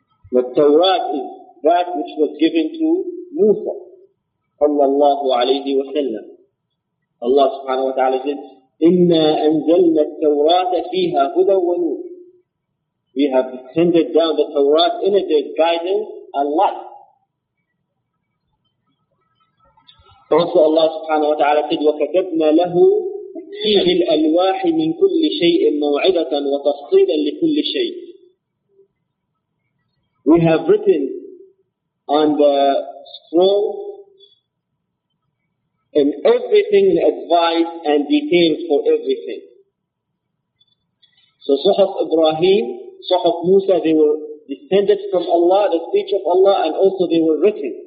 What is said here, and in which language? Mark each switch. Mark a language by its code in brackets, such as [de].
[en] The Tawrat is that which was given to Musa. Sallallahu alayhi wa sallam. Allah subhanahu wa ta'ala said, [ar] Inna anzalna at-tawrat fiha huda wa nur. [en] We have descended down the Tawrat in it as guidance and light. [ar] Also Allah subhanahu wa ta'ala said, وَكَتَبْنَا لَهُ فِيهِ الْأَلْوَاحِ مِنْ كُلِّ شَيْءٍ مَوْعِدَةً وَتَفْصِيلًا لِكُلِّ شَيْءٍ. [en] We have written on the scroll in everything, advice and details for everything. So Suhuf Ibrahim, Suhuf Musa, they were descended from Allah, the speech of Allah, and also they were written.